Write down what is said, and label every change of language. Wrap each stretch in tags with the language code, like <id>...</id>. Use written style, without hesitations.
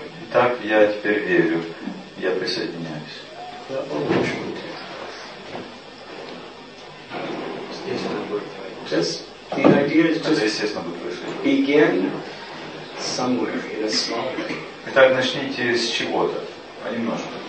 <ru>Итак, я теперь верю, я присоединяюсь.</ru> <en>The idea is just begin somewhere in a small way.</en> <ru>Итак, начните с чего-то, понемножку.</ru>